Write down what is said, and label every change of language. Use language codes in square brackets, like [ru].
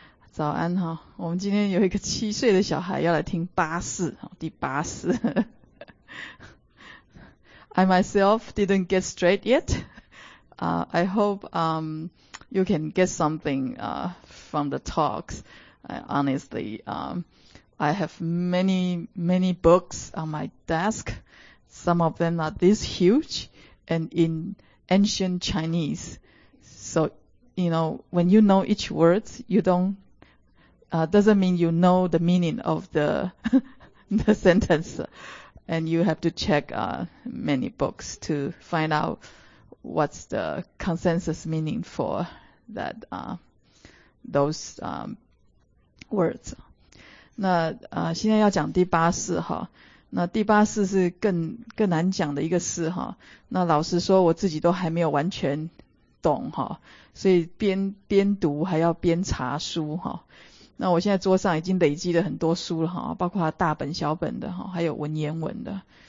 [zh] 早安哈，我们今天有一个七岁的小孩要来听八四，第八四。 [en] I myself didn't get straight yet. I hope you can get something from the talks. I have many, many books on my desk. Some of them are this huge and in ancient Chinese. So, you know, when you know each word, you don't, doesn't mean you know the meaning of the, the sentence. And you have to check, many books to find out what's the consensus meaning for that, those, words. [zh] 那现在要讲第八四哈，那第八四是更难讲的一个四哈。那老实说，我自己都还没有完全懂哈，所以边读还要边查书哈。那我现在桌上已经累积了很多书了哈，包括大本小本的哈，还有文言文的。